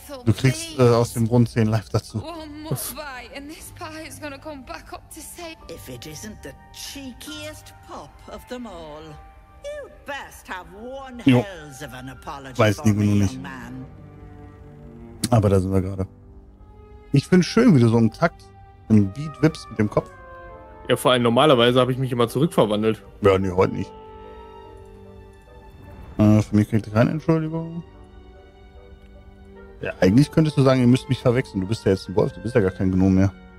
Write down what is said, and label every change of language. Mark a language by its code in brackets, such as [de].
[de] Du kriegst aus dem Brunnen 10 Life dazu. [en] And this pie is gonna come back up to say if it isn't the cheekiest pop of them all. You best have one hell of an apology. [de] Weiß for nicht, nicht. Man. Aber da sind wir gerade. Ich finde schön, wie du so einen Takt im Beat wippst mit dem Kopf. Ja, vor allem normalerweise habe ich mich immer zurückverwandelt. Ja, nee, heute nicht. Für mich kriegt ihr keine Entschuldigung. Ja, eigentlich könntest du sagen, ihr müsst mich verwechseln. Du bist ja jetzt ein Wolf, du bist ja gar kein Gnom mehr.